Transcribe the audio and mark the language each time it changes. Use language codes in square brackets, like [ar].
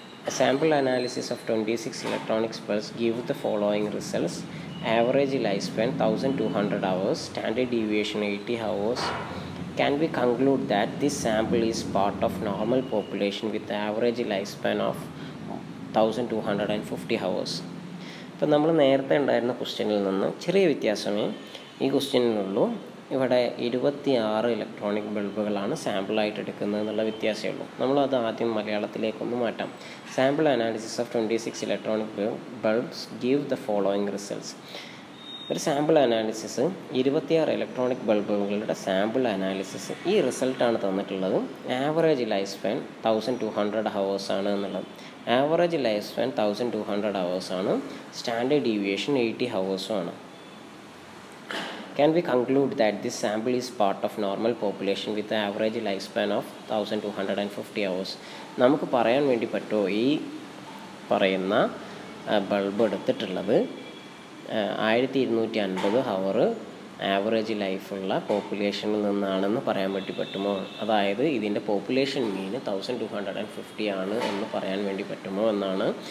[en] A sample analysis of 26 electronics bulbs give the following results. Average lifespan 1200 hours, standard deviation 80 hours. Can we conclude that this sample is part of normal population with the average lifespan of 1250 hours? [ml] ഇപ്പോൾ നമ്മൾ നേരത്തെ ഉണ്ടായിരുന്ന ക്വസ്റ്റ്യനിൽ നിന്ന് ചെറിയ വ്യത്യാസമേ ഈ ക്വസ്റ്റ്യനിലുള്ളൂ. ഇവിടെ 26 ഇലക്ട്രോണിക് ബൾബുകളാണ് സാമ്പിളായിട്ട് എടുക്കുന്നതെന്നുള്ള വ്യത്യാസമേ ഉള്ളൂ. നമ്മളത് ആദ്യം മലയാളത്തിലേക്കൊന്ന് മാറ്റാം. [en] Sample analysis of 26 electronic bulbs give the following results. [ml] ഒരു sample analysis, 26 electronic ബൾബുകളുടെ sample analysis, ഈ റിസൾട്ടാണ് തന്നിട്ടുള്ളത്. ആവറേജ് ലൈഫ് സ്പാൻ 1200 ഹവേഴ്സ് ആണ് എന്നുള്ളത്. ആവറേജ് ലൈഫ് സ്പാൻ 1200 ഹവേഴ്സ് ആണ്. സ്റ്റാൻഡേർഡ് ഡീവിയേഷൻ 80 ഹവേഴ്സും ആണ്. [en] Can we conclude that this sample is part of normal population with the average lifespan of 1250 hours? [ml] നമുക്ക് പറയാൻ വേണ്ടി പറ്റുമോ ഈ പറയുന്ന ബൾബ് എടുത്തിട്ടുള്ളത് 1250 ഹവറ് ആവറേജ് ലൈഫുള്ള പോപ്പുലേഷനിൽ നിന്നാണെന്ന് പറയാൻ വേണ്ടി പറ്റുമോ? അതായത് ഇതിൻ്റെ പോപ്പുലേഷൻ മീൻ 1250 ആണ് എന്ന് പറയാൻ വേണ്ടി പറ്റുമോ എന്നാണ്.